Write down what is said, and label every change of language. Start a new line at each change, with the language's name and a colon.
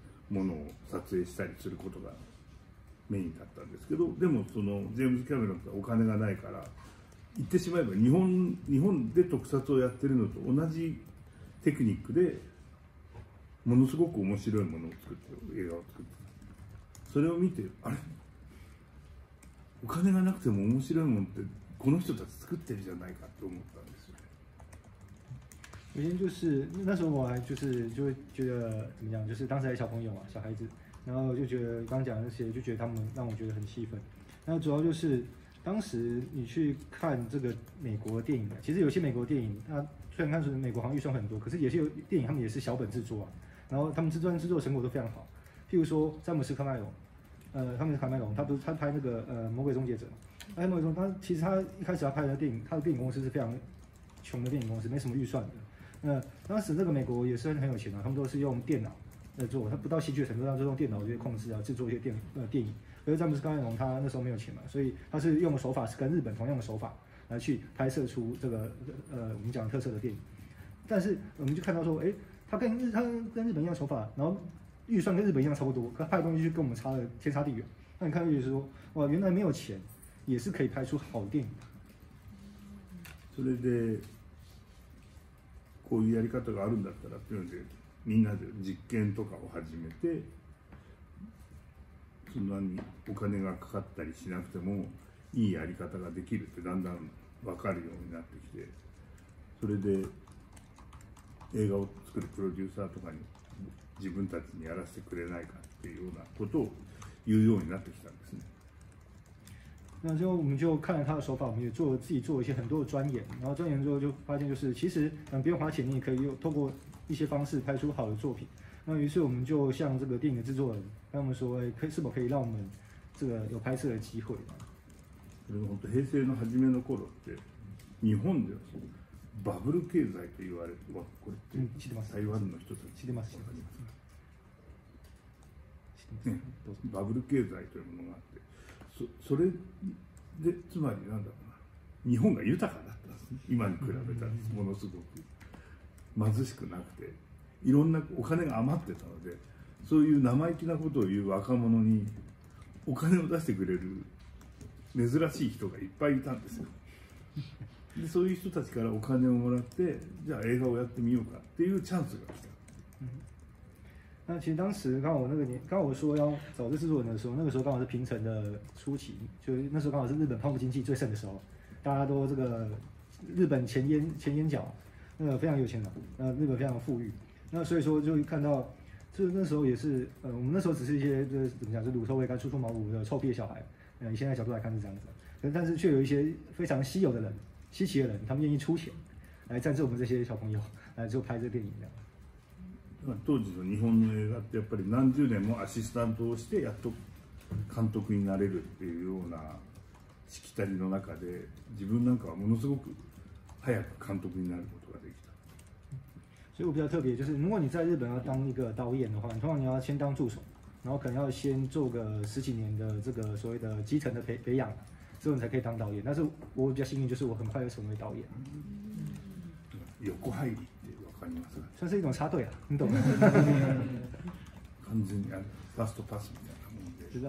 Japanese: ものを撮影したりすることがメインだったんですけど、でもそのジェームズ・キャメロンってお金がないから、言ってしまえば日本で特撮をやってるのと同じテクニックでものすごく面白いものを作って、映画を作って、それを見て、あれ、お金がなくても面白いものってこの人たち作ってるじゃないかと思ったんですよね。
Chinese: 首先就是那时候我还就觉得怎么样，就是当时还小朋友嘛，小孩子。然后就觉得刚讲的那些，就觉得他们让我觉得很气愤。那主要就是当时你去看这个美国电影，其实有些美国电影，它虽然看出美国好像预算很多，可是有些电影他们也是小本制作啊。然后他们制作成果都非常好。譬如说詹姆斯·卡麦隆，他拍那个《魔鬼终结者》，其实他一开始要拍的电影，他的电影公司是非常穷的电影公司，没什么预算的。那当时这个美国也是很有钱啊，他们都是用电脑。他不到戏剧的程度，他就用电脑去控制啊，制作一些电影。可是詹姆斯·卡梅隆他那时候没有钱嘛，所以他是用的手法是跟日本同样的手法来去拍摄出这个我们讲特色的电影。但是我们就看到说，他跟日本一样手法，然后预算跟日本一样差不多，可拍的东西就跟我们差了天差地远。那你看就是说，哇，原来没有钱也是可以拍出好电影的。所以
Japanese: で、こういうやり方があるんだったらっていうので。みんなで実験とかを始めて、そんなにお金がかかったりしなくてもいいやり方ができるってだんだん分かるようになってきて、それで映画を作るプロデューサーとかに自分たちにやらせてくれないかっていうようなことを言うようになってきたんですね。
Chinese: 那之后我们就看了他的手法，我们也做了自己做了一些很多的钻研，然后钻研之后就发现，就是其实不用花钱，你也可以透过一些方式拍出好的作品。那于是我们就向这个电影的制作人，跟他们说，是否可以让我们这个有拍摄的机会？
Japanese: 平成の初めの頃って日本ではバブル経済と言われて、わこれって知ってます、台湾の人たち知ってます、知ってます、ね、どうぞ。バブル経済というものがあって、 それでつまりなんだろうな、日本が豊かだったんです、ね、今に比べたらものすごく貧しくなくて、いろんなお金が余ってたので、そういう生意気なことを言う若者にお金を出してくれる珍しい人がいっぱいいたんですよ。でそういう人たちからお金をもらって、じゃあ映画をやってみようかっていうチャンスが来た。
Chinese: 那其实当时刚好那个年，刚好我说要找这制作人的时候，那个时候刚好是平成的初期，就那时候刚好是日本泡沫经济最盛的时候，大家都这个日本前烟角，那个非常有钱的，那日本非常富裕，那所以说就看到，就那时候也是，我们那时候只是一些就是怎么讲，就乳臭未干、初出茅庐的臭屁的小孩，以现在角度来看是这样子，但是却有一些非常稀有的人、稀奇的人，他们愿意出钱来赞助我们这些小朋友来就拍这电影这样。
Japanese: 当時の日本の映画ってやっぱり何十年もアシスタントをしてやっと監督になれるっていうようなしきたりの中で、自分なんかはものすごく早く監督になることができた。
Chinese: 所以我比较特别，就是如果你在日本要当一个导演的话，你通常你要先当助手，然后可能要先做个十几年的这个所谓的基层的培养，之后你才可以当导演。但是我比较幸运，就是我很快就成为导演。
Japanese: 横入り。
Chinese: 算是一种插队啊，你懂吗？
Japanese: 完全にファストパスみたいなも